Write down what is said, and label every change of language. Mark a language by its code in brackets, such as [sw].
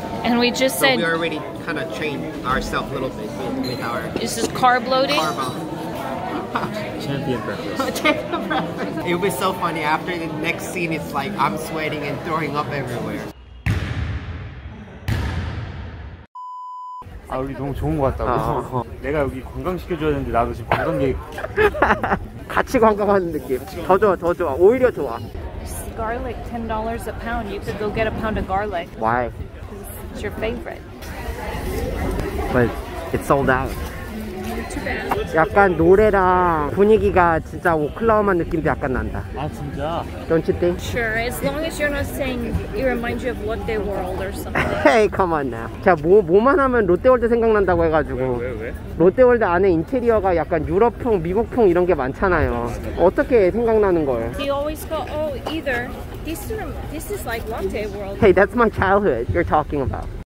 [en] And we just said... So we already kind of trained ourselves a little bit with our... This is carb loading? Carb on. Champion breakfast. It'll be so funny. After the next scene, it's like I'm sweating and throwing up everywhere. [ko] 아, 우리 너무 좋은 거 같다. 내가 여기 관광시켜줘야 되는데 나도 지금 관광객... 같이 관광하는 느낌. 더 좋아, 더 좋아. 오히려 좋아. [en] Garlic $10 a pound. You could go get a pound of garlic. Why? Because it's your favorite. But it's sold out. [ko] 약간 노래랑 분위기가 진짜 오클라호마 느낌도 약간 난다. 아 진짜? [en] Don't you think? Sure, as long as you're not saying it reminds you of Lotte World or something. Hey, come on now. [ko] 자, 뭐만 하면 롯데월드 생각난다고 해가지고. 왜? 롯데월드 안에 인테리어가 약간 유럽풍, 미국풍 이런 게 많잖아요. 어떻게 생각나는 거예요? [en] He always go, oh, either. This is like Lotte World. Hey, that's my childhood you're talking about.